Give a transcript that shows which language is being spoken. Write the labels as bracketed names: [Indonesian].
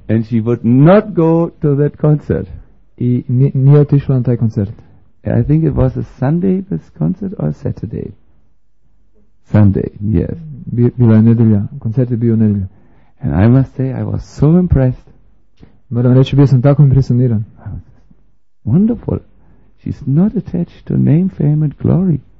[English] And she would not go to that concert. [Croatian] I nije otišla na taj koncert. [English] I think it was a Sunday this concert or a Saturday. Sunday, yes. [Croatian] Bila je nedjelja. Koncert je bio nedjelja. [English] And I must say I was so impressed. [Croatian] Moram reći bio sam tako impresioniran. [English] Wonderful. She's not attached to name, fame and glory.